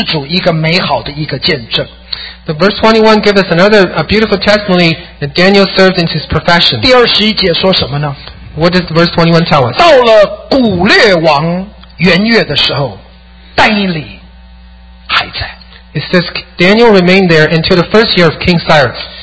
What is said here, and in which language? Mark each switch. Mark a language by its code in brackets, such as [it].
[zh] 我想第二十一节留给我们最后一个对于但以理在职场上面服侍主一个美好的一个见证。 [en] The verse 21 gives us another a beautiful testimony that Daniel served in his profession. [zh] 第二十一节说什么呢? [en] What does verse 21 tell us? [zh] 到了古列王元月的时候，但以理还在。 [en] It says Daniel remained there until the first year of King Cyrus.